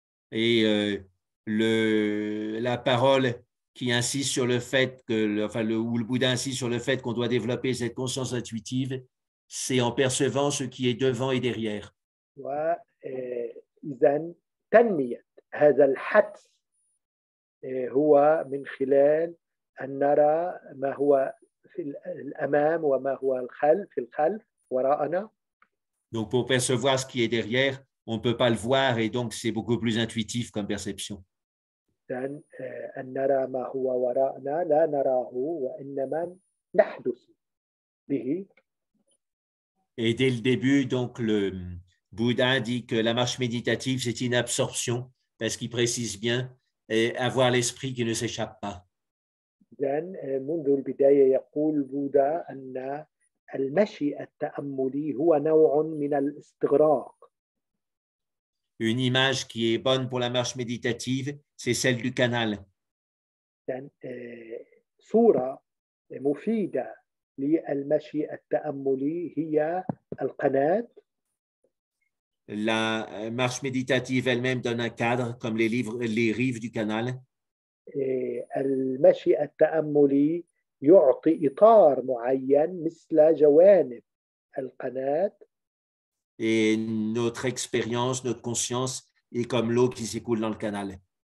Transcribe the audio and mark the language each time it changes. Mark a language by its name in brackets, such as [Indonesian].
[French] Et la parole qui insiste sur le fait que, enfin, où le Bouddha insiste sur le fait qu'on doit développer cette conscience intuitive, C'est en percevant ce qui est devant et derrière. [Arabic] وإذن تنمية هذا الحدس هو من خلال أن نرى ما هو في الأمام وما هو الخلف في الخلف وراءنا. [French] Donc pour percevoir ce qui est derrière, on ne peut pas le voir et donc c'est beaucoup plus intuitif comme perception. [Arabic] أن نرى ما هو وراءنا لا نراه وإنما نحدث به. [French] Et dès le début, donc le Bouddha dit que la marche méditative, c'est une absorption, parce qu'il précise bien et avoir l'esprit qui ne s'échappe pas. [English] Then, [Arabic] منذ البداية يقول بودا أن المشي التأملي هو نوع من الاستغراق. [French] Une image qui est bonne pour la marche méditative, c'est celle du canal. [English] Then, [Arabic] صورة مفيدة للمشي التأملي هي القناة. [French] La marche méditative elle-même donne un cadre comme les livres, les rives du canal. [Arabic] المشي التأملي يعطي إطار معين مثل جوانب القناة. [French] Et notre expérience, notre conscience est comme l'eau qui s'écoule dans le canal.